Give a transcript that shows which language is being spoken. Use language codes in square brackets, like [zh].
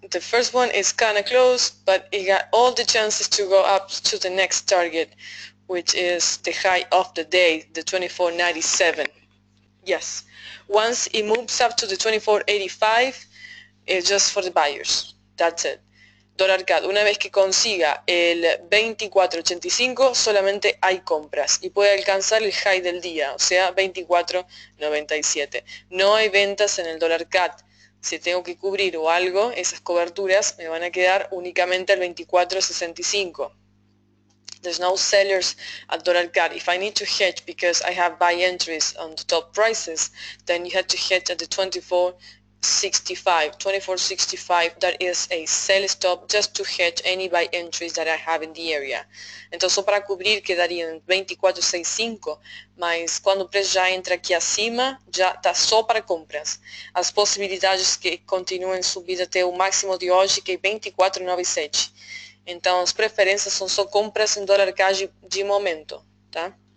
[en] The first one is kind of close, but it got all the chances to go up to the next target, which is the high of the day, the 24.97. Yes, once it moves up to the 24.85, it's just for the buyers. That's it. [es] Dólar CAD, una vez que consiga el 24.85, solamente hay compras y puede alcanzar el high del día, o sea, 24.97. No hay ventas en el dólar CAD. Si tengo que cubrir o algo, esas coberturas me van a quedar únicamente al 24.65. [en] There's no sellers at dollar CAD. If I need to hedge because I have buy entries on the top prices, then you have to hedge at the 24.65, 24.65, that is a sell stop just to hedge any buy entries that I have in the area. [es] Entonces, para cubrir quedarían [pt] 24.65, mas quando o preço já entra aqui acima, já está só para compras. As possibilidades que continuem subindo até o máximo de hoje, que é 24.97. Então, as preferências são só compras em dólar cash de momento, tá?